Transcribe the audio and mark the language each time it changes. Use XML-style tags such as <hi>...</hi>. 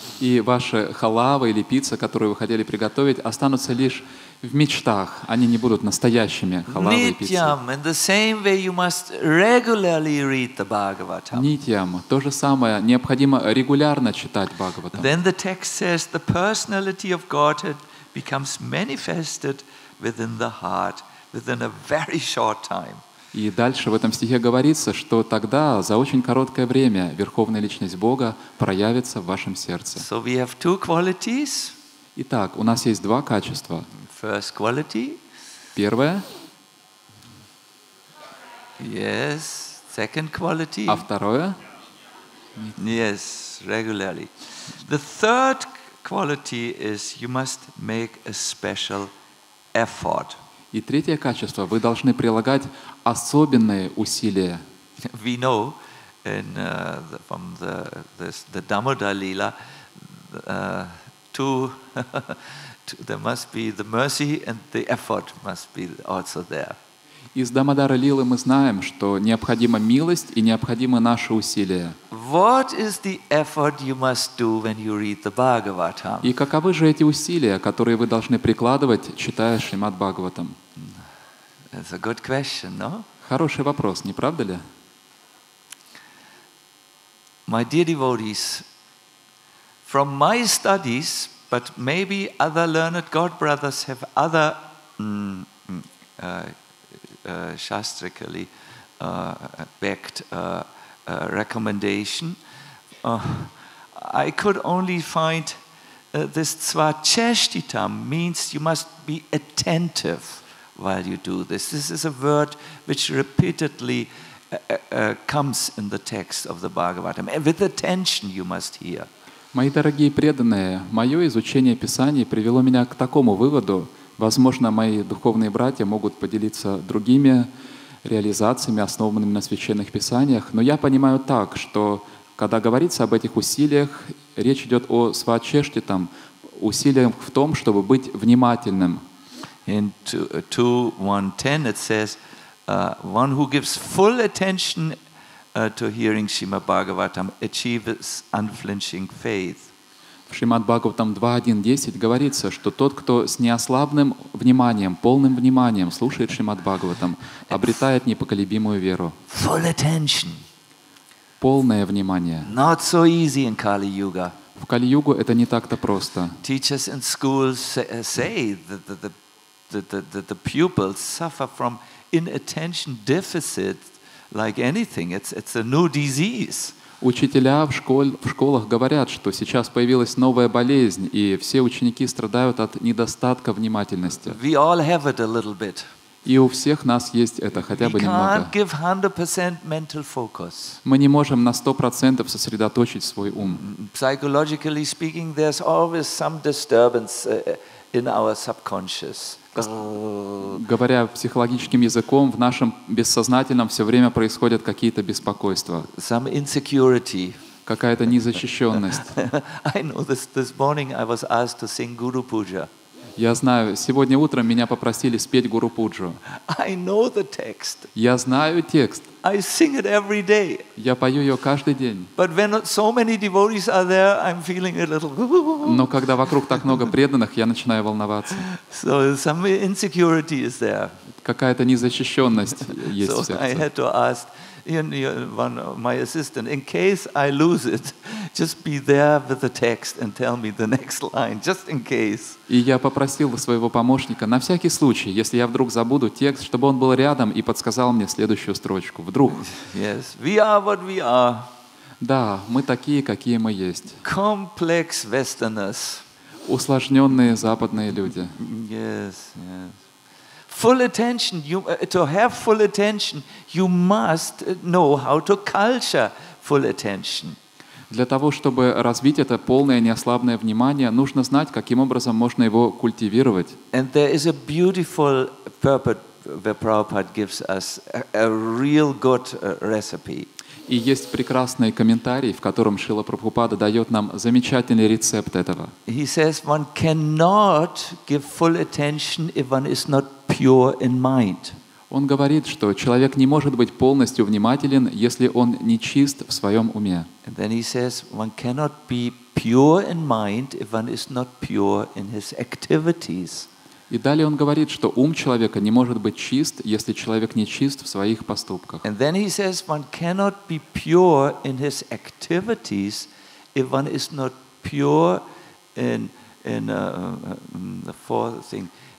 <ru>И ваши халавы или пицца, которую вы хотели приготовить, останутся лишь в мечтах. Они не будут настоящими халавы и пиццы.</ru> <sa>Nityam.</sa> <en>In the same way, you must regularly read the Bhagavatam.</en> <ru>Nityam. То же самое. Необходимо регулярно читать Бхагаватам.</ru> <en>Then the text says the personality of Godhead becomes manifested within the heart within a very short time.</en> <ru>И дальше в этом стихе говорится, что тогда, за очень короткое время, Верховная Личность Бога проявится в вашем сердце.</ru> <en>So we have two qualities.</en> <ru>Итак, у нас есть два качества.</ru> <en>First quality.</en> <ru>Первое.</ru> <en>Yes. Second quality.</en> <ru>А второе?</ru> <en>Yes, regularly. The third quality is you must make a special effort.</en> <ru>И третье качество – вы должны прилагать особенные усилия.</ru> <en>We know in, from the, this, the Damodar Lila, there must be the mercy and the effort must be also there.</en> <ru>Из Дамодара Лилы мы знаем, что необходима милость и необходимы наши усилия.</ru> <en>What is the effort you must do when you read the Bhagavatam?</en> <ru>И каковы же эти усилия, которые вы должны прикладывать, читая Шримад Бхагаватам?</ru> <en>That's a good question, no?</en> <ru>Хороший вопрос, не правда ли?</ru> <en>My dear devotees, from my studies, but maybe other learned God brothers have other shastrically backed recommendation, I could only find this Svacheshtitam means you must be attentive while you do this. This is a word which repeatedly comes in the text of the Bhagavatam. With attention you must hear.</en> <ru>Мои дорогие преданные, мое изучение Писаний привело меня к такому выводу. Возможно, мои духовные братья могут поделиться другими реализациями, основанными на священных писаниях. Но я понимаю так, что когда говорится об этих усилиях, речь идет о свачештитам, усилиях в том, чтобы быть внимательным.</ru> <en>In 2.1.10 it says, one who gives full attention to hearing Shrimad Bhagavatam achieves unflinching faith.</en> <ru>В Шримад Бхагаватам 2.1.10 говорится, что тот, кто с неослабным вниманием, полным вниманием слушает Шримад Бхагаватам, обретает непоколебимую веру.</ru> <en>Full attention.</en> <ru>Полное внимание.</ru> <en>Not so easy in Kali-Yuga.</en> <ru>В Кали-Югу это не так-то просто.</ru> <en>Teachers in schools say that the pupils suffer from inattention deficit like anything. It's a new disease.</en> <ru>Учителя в школах говорят, что сейчас появилась новая болезнь, и все ученики страдают от недостатка внимательности.</ru> <en>We all have it a little bit.</en> <ru>И у всех нас есть это, хотя бы немного.</ru> <en>We can't give 100% mental focus.</en> <ru>Мы не можем на 100% сосредоточить свой ум.</ru> <en>Psychologically speaking, there's always some disturbance in our subconscious.</en> <ru>Говоря психологическим языком, в нашем бессознательном все время происходят какие-то беспокойства.</ru> <en>Some insecurity.</en> <ru>Какая-то незащищенность.</ru> <en>I know this morning I was asked to sing Guru Puja.</en> <ru>Я знаю, сегодня утром меня попросили спеть Гуру Пуджу.</ru> <en>I know the text.</en> <ru>Я знаю текст.</ru> <en>I sing it every day.</en> <ru>Я пою ее каждый день.</ru> <en>But when so many devotees are there, I'm feeling a little...</en> <ru>Но когда вокруг так много преданных, я начинаю волноваться.</ru> <en>So some insecurity is there.</en> <ru>Какая-то незащищенность есть</ru> <en>so</en> <ru>в сердце.</ru> <en>I had to ask one of my assistant, in case I lose it, just be there with the text and tell me the next line, just in case.</en> <ru>И я попросил своего помощника на всякий случай, если я вдруг забуду текст, чтобы он был рядом и подсказал мне следующую строчку. Вдруг.</ru> <en>Yes, we are what we are.</en> <ru>Да, мы такие, какие мы есть.</ru> <en>Complex Westerners.</en> <ru>Усложненные западные люди.</ru> <en>Yes, yes. Full attention. To have full attention, you must know how to culture full attention.</en> <ru>Для того, чтобы развить это полное неослабное внимание, нужно знать, каким образом можно его культивировать.</ru> <en>And there is a beautiful purport that Prabhupada gives us, a real good recipe.</en> <ru>И есть прекрасный комментарий, в котором Шрила Прабхупада дает нам замечательный рецепт этого.</ru> <en>He says one cannot give full attention if one is not pure in mind.</en> <ru>Он говорит, что человек не может быть полностью внимателен, если он не чист в своем уме.</ru> <en>And then he says one cannot be pure in mind if one is not pure in his activities.</en> <ru>И далее он говорит, что ум человека не может быть чист, если человек не чист в своих поступках.</ru> <en>And then he says one cannot be pure in his activities if one is not pure in the fourth thing.</en>